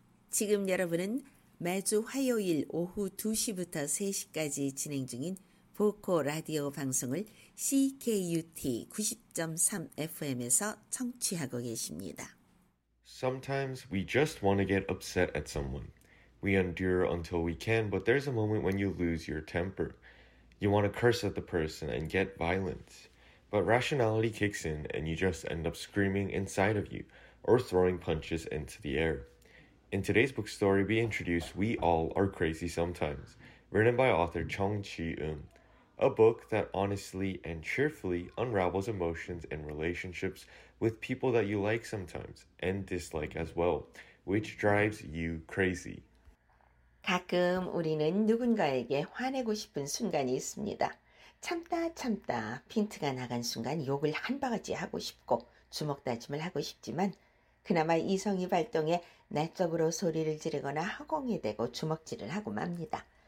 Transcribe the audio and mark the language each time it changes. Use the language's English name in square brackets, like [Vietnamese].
[Korean] 지금 여러분은 매주 화요일 오후 2시부터 3시까지 진행 중인 보코 라디오 방송을 CKUT 90.3 FM에서 청취하고 계십니다. [English] Sometimes we just want to get upset at someone. We endure until we can, but there's a moment when you lose your temper. You want to curse at the person and get violent. But rationality kicks in and you just end up screaming inside of you or throwing punches into the air. In today's book story, we introduce We All Are Crazy Sometimes, written by author Chung Chi-eun, a book that honestly and cheerfully unravels emotions and relationships with people that you like sometimes and dislike as well, which drives you crazy. [Korean] 가끔 우리는 누군가에게 화내고 싶은 순간이 있습니다. 참다 참다 핀트가 나간 순간 욕을 한 바가지 하고 싶고 주먹다짐을 하고 싶지만 그나마 이성이 발동해 내적으로 소리를 지르거나 허공에 대고 주먹질을 하고 맙니다.